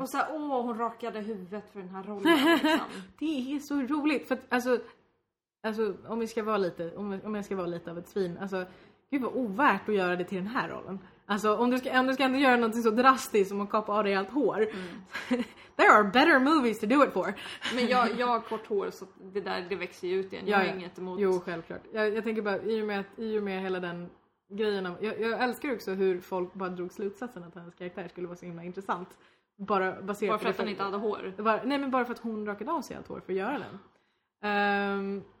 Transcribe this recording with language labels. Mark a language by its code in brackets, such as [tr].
[sv] Och så här, hon rakade huvudet för den här rollen liksom. Det är så roligt för att, alltså om vi ska vara lite, om jag ska vara lite av ett svin, alltså gud vad ovärt att göra det till den här rollen. Alltså om du ska ändå göra något så drastiskt som att kapa av dig allt hår. [en] There are better movies to do it for. [sv] Men jag har kort hår så det där, det växer ju ut igen. Jag har inget emot. Jo, självklart. Jag tänker bara, i och med hela den grejen. Jag älskar också hur folk bara drog slutsatsen att hennes karaktär skulle vara så himla intressant. Bara baserat bara för att hon inte hade hår. Bara för att hon rakade av sig allt hår för att göra den.